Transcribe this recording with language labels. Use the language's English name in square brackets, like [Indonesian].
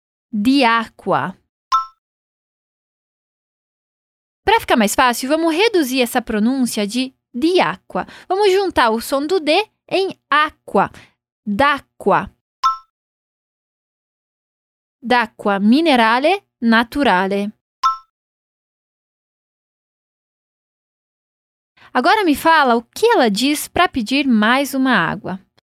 [Italian] Di acqua. [Portuguese] Para ficar mais fácil, vamos reduzir essa pronúncia de acqua. Vamos juntar o som do D em aqua. [Italian] D'acqua. D'acqua minerale naturale. [Portuguese] Agora me fala o que ela diz para pedir mais uma água.